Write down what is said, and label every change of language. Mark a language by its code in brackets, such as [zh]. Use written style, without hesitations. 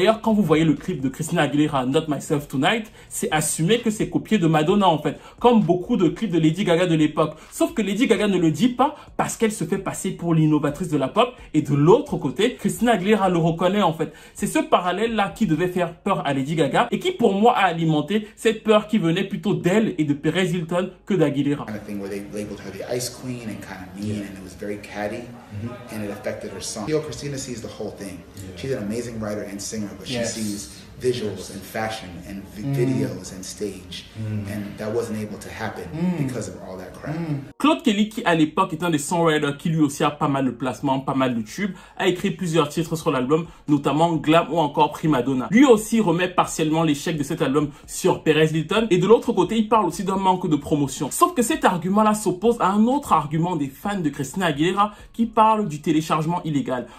[fr] D'ailleurs quand vous voyez le clip de Christina Aguilera Not Myself Tonight, c'est assumé que c'est copié de Madonna en fait, comme beaucoup de clips de Lady Gaga de l'époque. Sauf que Lady Gaga ne le dit pas parce qu'elle se fait passer pour l'innovatrice de la pop et de l'autre côté Christina Aguilera le reconnaît en fait. C'est ce parallèle là qui devait faire peur à Lady Gaga et qui pour moi a alimenté cette peur qui venait plutôt d'elle et de Perez Hilton que d'Aguilera. [en] Kind of thing where they labeled her the ice queen and kind of mean, yeah. And it was very catty, mm-hmm. And it affected her song. Christina sees the whole thing. Yeah. She's an amazing writer and singer, but yes. She sees visuals, yes. And fashion and videos and stage, and that wasn't able to happen because of all that crap. [fr] Claude Kelly, qui à l'époque est un des songwriters qui lui aussi a pas mal de placements, pas mal de tubes, a écrit plusieurs titres sur l'album, notamment Glam ou encore Primadonna. Lui aussi remet partiellement l'échec de cet album sur Perez Hilton et de l'autre côté, il parle aussi d'un manque de promotion. Sauf que cet argument-là s'oppose à un autre argument des fans de Christina Aguilera qui parle du téléchargement illégal.